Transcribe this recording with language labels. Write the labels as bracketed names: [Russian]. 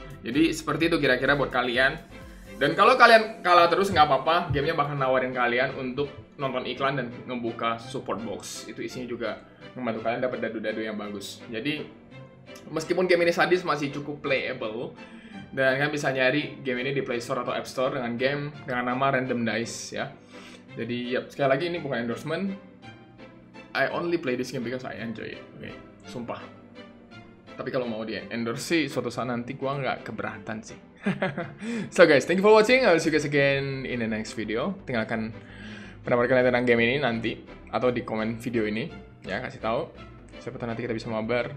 [Indonesian] Jadi seperti itu kira-kira buat kalian. Dan kalau kalian kalah terus, nggak apa-apa, gamenya bakal nawarin kalian untuk nonton iklan dan ngebuka support box. Itu isinya juga membantu kalian dapat dadu-dadu yang bagus. Jadi meskipun game ini sadis, masih cukup playable. Dan kalian bisa nyari game ini di Play Store atau App Store dengan game dengan nama Random Dice ya. Jadi yep, sekali lagi ini bukan endorsement. [English] I only play this game because I enjoy it. Okay. [Indonesian] Sumpah. Tapi kalau mau di endorse sih, suatu saat nanti gua nggak keberatan sih. [English] So guys, thank you for watching. I'll see you guys again in the next video. [Indonesian] Tinggalkan pendapat kalian tentang game ini nanti atau di komen video ini ya, kasih tahu. Siapa tahu nanti kita bisa mabar.